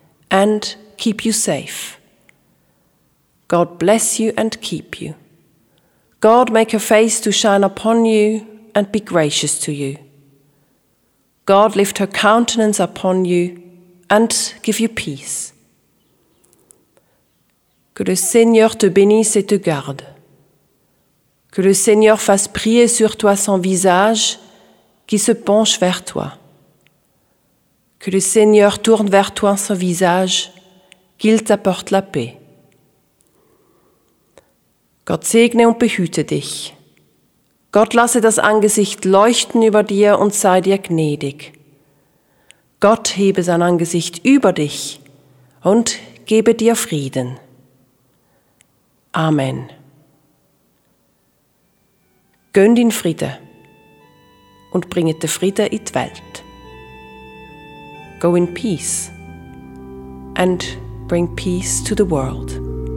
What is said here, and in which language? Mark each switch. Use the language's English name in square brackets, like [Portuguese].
[English] And keep you safe. God bless you and keep you. God make her face to shine upon you and be gracious to you. God lift her countenance upon you and give you peace. [French] Que le Seigneur te bénisse et te garde. Que le Seigneur fasse briller sur toi son visage qui se penche vers toi. Que le Seigneur tourne vers toi son visage, qu'il t'apporte la paix. [German] Gott segne und behüte dich. Gott lasse das Angesicht leuchten über dir und sei dir gnädig. Gott hebe sein Angesicht über dich und gebe dir Frieden. Amen. Gönnt in Friede und bringet den Friede in die Welt. [English] Go in peace and bring peace to the world.